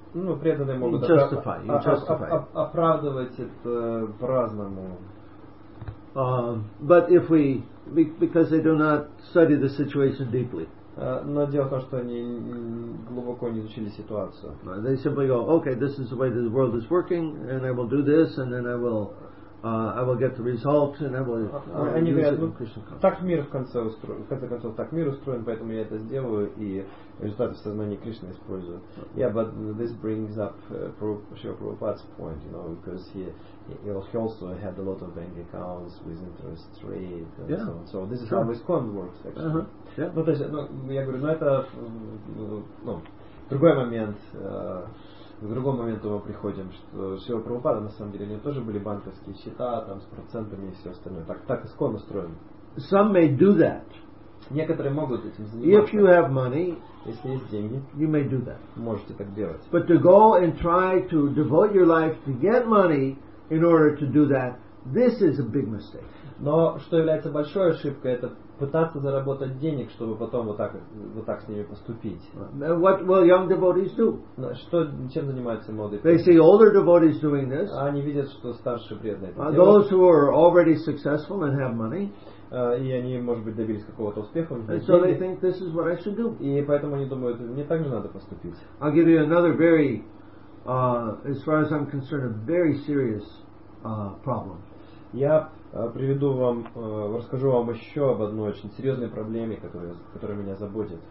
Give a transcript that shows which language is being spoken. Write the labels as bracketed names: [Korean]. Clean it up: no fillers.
[Russian] Ну, преданные могут оправдывать это по-разному. [English] But if we because they do not study the situation deeply. [Russian] Но дело в том, что они глубоко не изучили ситуацию. [English] They simply go, okay, this is the way the world is working, and I will do this, and then I will get the result, and I will. [Russian] Они говорят, ну, так мир в конце концов так мир устроен, поэтому я это сделаю и результаты в сознании Кришны использую. [English] Yeah, but this brings up Srila Prabhupada's point, you know, because he also had a lot of bank accounts with interest rate and so on. So this is how Iskon works actually. Uh-huh. Yeah. [Russian] Ну, я говорю, ну это ну другой момент. В другом моменту мы приходим, что Шрила Прабхупада, на самом деле, у него тоже были банковские счета, там, с процентами и все остальное. Так Искон устроен. [English] Some may do that. [Russian] Некоторые могут этим заниматься. [English] If you have money, [Russian] если есть деньги, [English] you may do that. [Russian] Можете так делать. [English] But to go and try to devote your life to get money in order to do that, this is a big mistake. [Russian] Но что является большой ошибкой, это пытаться заработать денег, чтобы потом вот так с ними поступить. [English] What will young devotees do? [Russian] Что, чем занимаются молодые? [English] They see older devotees doing this. [Russian] Они видят, что старшие преданные. [English] Those who are already successful and have money. [Russian] И они, может быть, добились какого-то успеха. [English] So they think this is what I should do. [Russian] И поэтому они думают, мне так же надо поступить. [English] I'll give you another very, as far as I'm concerned, a very serious problem. [Russian] Я приведу вам, расскажу вам еще об одной очень серьезной проблеме, которая меня заботит.